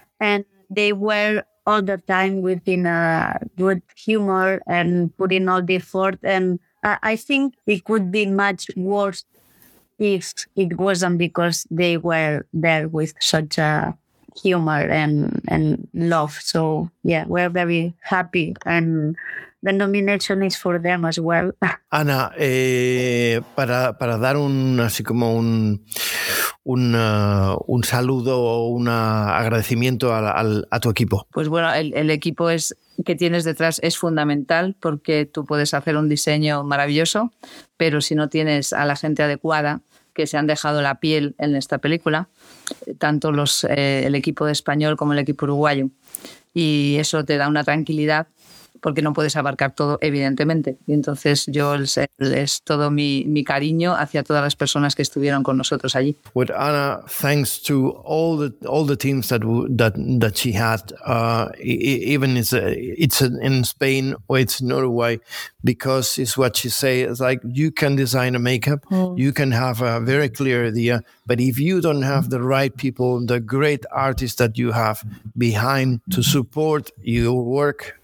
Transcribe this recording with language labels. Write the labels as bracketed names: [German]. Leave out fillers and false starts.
[English] And they were all the time within a good humor and putting all the effort, and I think it could be much worse if it wasn't because they were there with such a humor and love. So, yeah, we're very happy. And the nomination is for them as well. [Spanish] Ana, para dar un saludo o un agradecimiento a tu equipo. Pues bueno, el equipo que tienes detrás es fundamental porque tú puedes hacer un diseño maravilloso, pero si no tienes a la gente adecuada que se han dejado la piel en esta película, tanto el equipo de español como el equipo uruguayo, y eso te da una tranquilidad porque no puedes abarcar todo, evidentemente. Y entonces yo es todo mi cariño hacia todas las personas que estuvieron con nosotros allí. [English] With Anna, thanks to all the teams that she had, even it's in Spain or it's in Uruguay, because it's what she say, it's like you can design a makeup, you can have a very clear idea, but if you don't have the right people, the great artists that you have behind to support your work,